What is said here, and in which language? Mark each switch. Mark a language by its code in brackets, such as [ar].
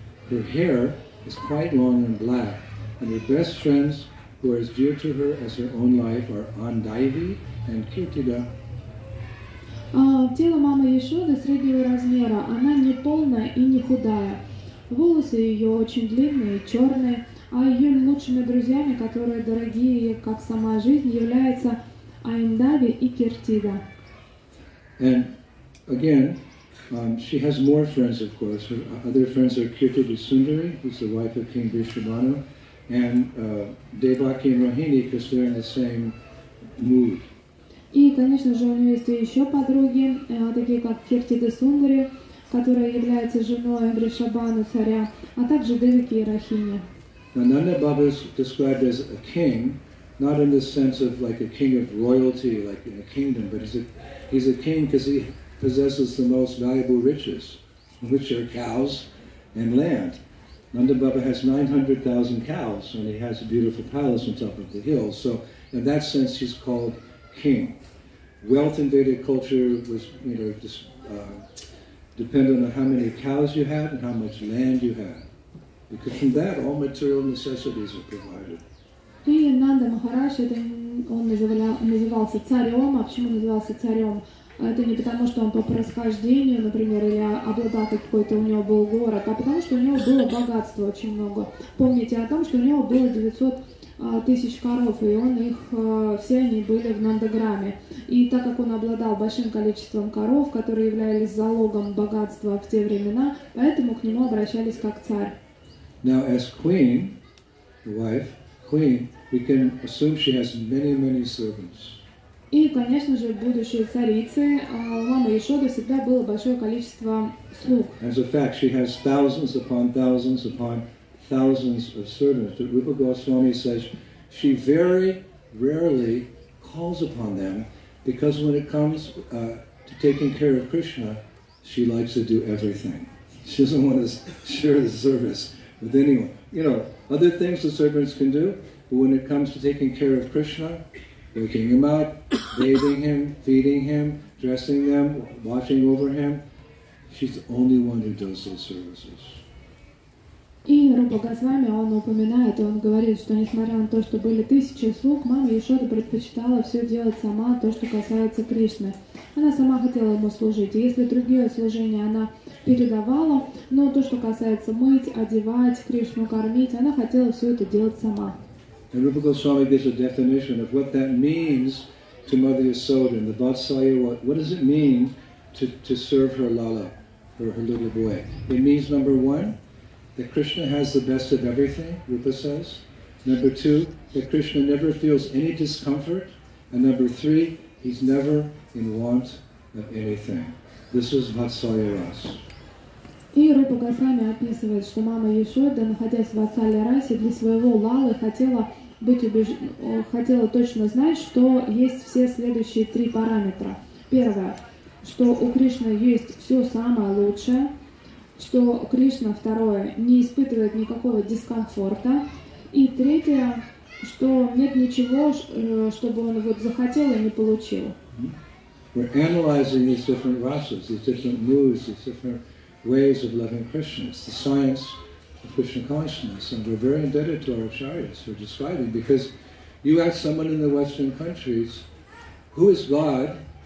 [en] Her hair is quite long and black, and her best friends, who are as dear to her as her own life, are Andaivi and Kirtida. [ru] Тело мамы Яшоды среднего размера. Она не полная и не худая. Волосы ее очень длинные, черные, а ее лучшими друзьями, которые дорогие ей как сама жизнь, являются Андаивы и Киртида. [en] And again, she has more friends, of course. Her other friends are Kirtidi Sundari, who's the wife of King Vrishabhanu, and Devaki and Rohini, because they're in the same mood. [ru] И, конечно же, у нее есть еще подруги, такие как Kirtidi Sundari, которая является женой Вришабану царя, а также Девики и Рохини. [en] Now, Nanda Baba is described as a king, not in the sense of like a king of royalty, like in a kingdom, but he's a king because he possesses the most valuable riches, which are cows and land. Nanda Baba has 900,000 cows, and he has a beautiful palace on top of the hill. So in that sense, he's called king. Wealth in Vedic culture was, you know, dependent on how many cows you had and how much land you had. Because from that, all material necessities are provided. [ru] И Нанда Махарадж, он назывался царем. А почему назывался царем? Это не потому, что он по происхождению, например, или обладатель какой-то, у него был город, а потому, что у него было богатство очень много. Помните о том, что у него было 900 тысяч коров, и он их, все они были в Нандаграме. И так как он обладал большим количеством коров, которые являлись залогом богатства в те времена, поэтому к нему обращались как царь. [en] Now, as queen, the wife, queen, we can assume she has many, many servants. [ru] И, конечно же, будущей царицей мамы Яшоды всегда было большое количество слуг. [en] As a fact, she has thousands upon thousands upon thousands of servants. But Rupa Goswami says she very rarely calls upon them because when it comes to taking care of Krishna, she likes to do everything. She doesn't want to share the service with anyone. You know, other things the servants can do, but when it comes to taking care of Krishna, waking him up, bathing him, feeding him, dressing them, watching over him, she's the only one who does those services. [ru] И Рупа Госвами, он упоминает, он говорит, что несмотря на то, что были тысячи слуг, мама Яшода предпочитала все делать сама, то, что касается Кришны. Она сама хотела ему служить. И если другие служения она передавала, но то, что касается мыть, одевать, Кришну кормить, она хотела все это делать сама. [en] And Rupa Goswami gives a definition of what that means to Mother Yasoda in the Vatsalya. What does it mean to serve her Lala, or her little boy? It means, number one, that Krishna has the best of everything, Rupa says. Number two, that Krishna never feels any discomfort. And number three, he's never in want of anything. This is Vatsalya Rasa. [ru] И Рупа Госвами описывает, что мама Яшода, находясь в Ватсалья Расе, для своего Лалы хотела точно знать, что есть все следующие три параметра. Первое, что у Кришны есть все самое лучшее, что Кришна, второе, не испытывает никакого дискомфорта, и третье, что нет ничего, чтобы он вот захотел и не получил. [en] We're analyzing these different rasas, these different moods, these different ways of loving Krishna. It's the science of Krishna consciousness, and we're very indebted to our acharyas for describing, because you ask someone in the Western countries, who is God?